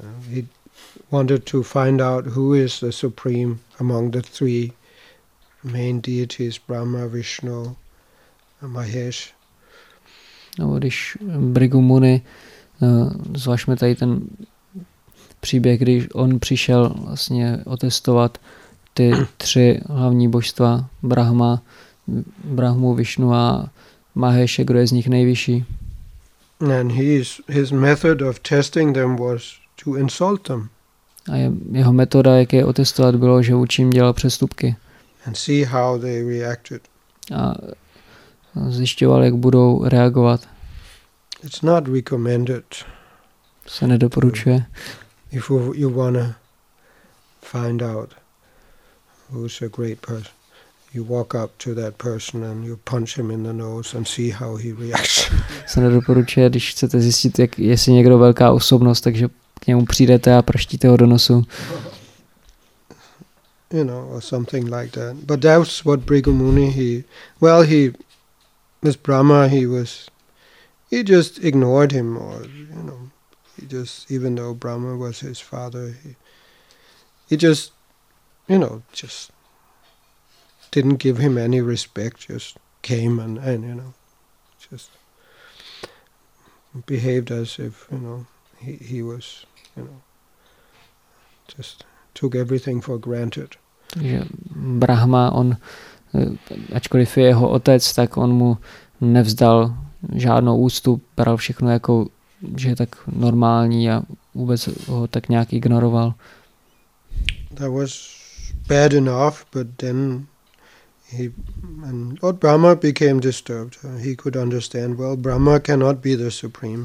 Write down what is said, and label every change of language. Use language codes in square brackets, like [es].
[en] He wanted to find out who is the supreme among the three main deities, Brahma, Vishnu, Mahesh. [cs] No, když Bhrigu Muni, zvažme tady ten příběh, když on přišel vlastně otestovat ty tři hlavní božstva, Brahma, Brahmu, Vishnu a Maheshe, kdo je z nich nejvyšší. [en] And his method of testing them was to insult them. [cs] A jeho metoda, jak je otestovat, bylo, že učím dělal přestupky. [en] And see how they reacted. [cs] A zjišťoval, jak budou reagovat. [en] It's not recommended. [cs] Se nedoporučuje. [en] If you wanna find out who's a great person, you walk up to that person and you punch him in the nose and see how he reacts. [cs] Se nedoporučuje, když chcete zjistit, jak, jestli někdo velká osobnost, takže k němu přijdete a praštíte ho do nosu. [en] You know, or something like that. But that's what Bhrigu Muni, this Brahma, he just ignored him, or, you know, he just, even though Brahma was his father, he just didn't give him any respect, just came and, you know, just behaved as if, you know, he was, you know, just took everything for granted. [cs] Takže Brahma, on, ačkoliv je jeho otec, tak on mu nevzdal žádnou úctu, bral všechno jako, že je tak normální a vůbec ho tak nějak ignoroval. [en] That was bad enough, but then Lord Brahma became disturbed. He could understand, well, Brahma cannot be the supreme.